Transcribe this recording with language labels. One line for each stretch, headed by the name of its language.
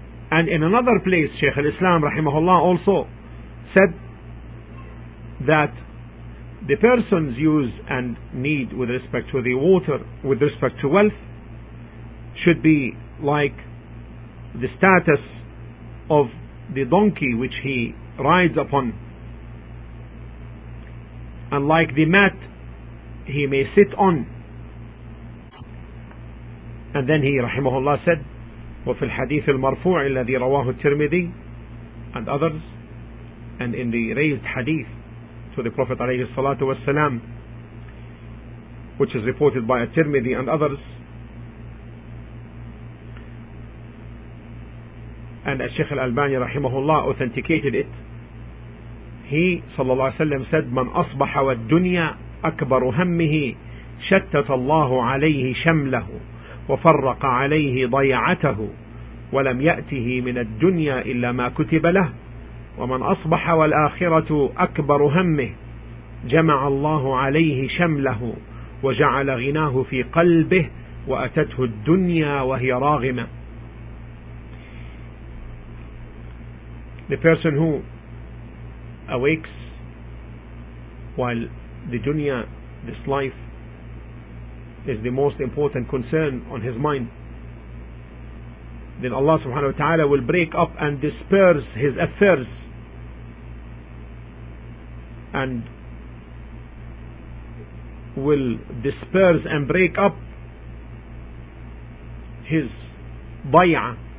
English: And in another place, Shaykh al-Islam rahimahullah also said that the person's use and need with respect to the water, with respect to wealth, should be like the status of the donkey which he rides upon, and like the mat he may sit on. And then he rahimahullah said,
Arabic: وفي الحديث المرفوع الذي رواه الترمذي
English: and others, and in the raised hadith to the Prophet عليه الصلاة والسلام, which is reported by الترمذي and others, and
Arabic: الشيخ الألباني رحمه الله
English: authenticated it, he
Arabic: صلى الله عليه وسلم
English: said,
Arabic: من أصبح والدنيا أكبر همه شتت الله عليه شمله وفرق عليه ضيعته ولم يأته من الدنيا إلا ما كتب له ومن أصبح والآخرة أكبر همه جمع الله عليه شمله وجعل غناه في قلبه وأتته الدنيا وهي راغمة.
English: The person who awakes while the dunya, this life, is the most important concern on his mind, then Allah subhanahu wa ta'ala will break up and disperse his affairs and will disperse and break up his bay'ah.